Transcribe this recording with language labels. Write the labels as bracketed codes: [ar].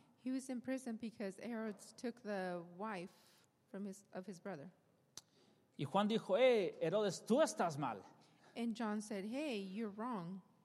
[en] He was in prison because Herodes took the wife from his brother. [es] Y Juan dijo, hey, Herodes, tú estás mal. [en] And John said, hey, you're wrong.